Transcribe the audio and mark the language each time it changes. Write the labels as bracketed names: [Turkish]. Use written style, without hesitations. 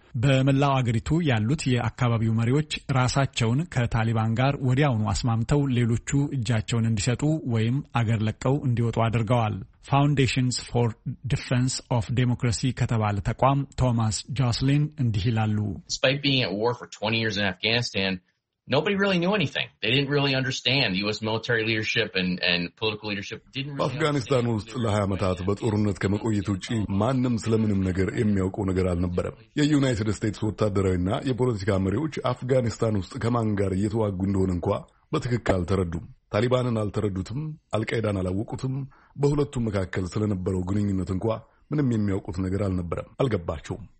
[Amharic] በመላው አገሪቱ ያሉት የአካባቢው መሪዎች ራሳቸውን ከታሊባን ጋር ወዲያውኑ አስማምተው ሌሎቹ እጃቸውን እንዲሰጡ ወይም አገር ለቀው እንዲወጡ አድርገዋል። ፋውንዴሽንስ ፎር ዲፌንስ ኦፍ ዴሞክራሲ ከተባለ ተቋም ቶማስ ጆስሊን እንዲህ ይላሉ። [English] Despite being at war for 20 years in Afghanistan, nobody really knew anything. They didn't really understand US military leadership and political leadership didn't really [Amharic] Afghanistan ውስጥ ለ20 ዓመታት በጦርነት ከመቆየት ውጪ ማንም ስለምንም ነገር የሚያውቁ ነገር አልነበረም። የዩናይትድ ስቴትስ ወታደራዊና የፖለቲካ መሪዎች አፍጋኒስታን ውስጥ ከማን ጋር እየተዋጉ እንደሆነ እንኳን በትክክል አልተረዱም። ታሊባንን አልተረዱትም፣ አልቃይዳን አላወቁትም። በሁለቱም መካከል ስለነበረው ግንኙነት እንኳን ምንም የሚያውቁት ነገር አልነበረም፣ አልገባቸውም።